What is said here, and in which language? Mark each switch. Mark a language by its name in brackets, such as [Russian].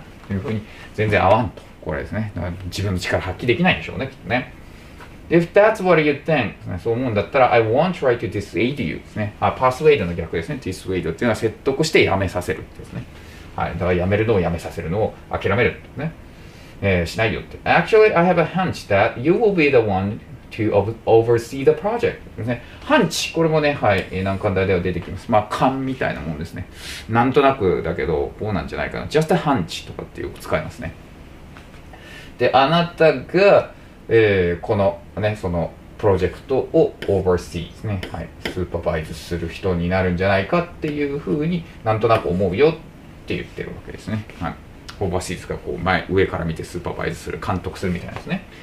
[Japanese] というふうに全然合わんと、これですね、自分の力発揮できないんでしょうね、きっとね。 [English] If that's what you think、 [Japanese] ね、そう思うんだったら [English] I won't try to dissuade you ですね。 [Japanese] あ、persuade の逆ですね。 dissuade っていうのは説得してやめさせるってですね、はい、だからやめるのをやめさせるのを諦めるってね、しないよって。 [English] Actually I have a hunch that you will be the one to oversee the project [Japanese] ですね。 hunch、 これもね、はい、難関台では出てきます。まあ勘みたいなもんですね。なんとなくだけどこうなんじゃないかな。 [English] just a hunch [Japanese] とかってよく使いますね。で、あなたが、このね、そのプロジェクトをオーバーシーですね、はい、スーパーバイズする人になるんじゃないかっていうふうになんとなく思うよって言ってるわけですね、はい、オーバーシーズがこう前上から見てスーパーバイズする、監督するみたいなですね。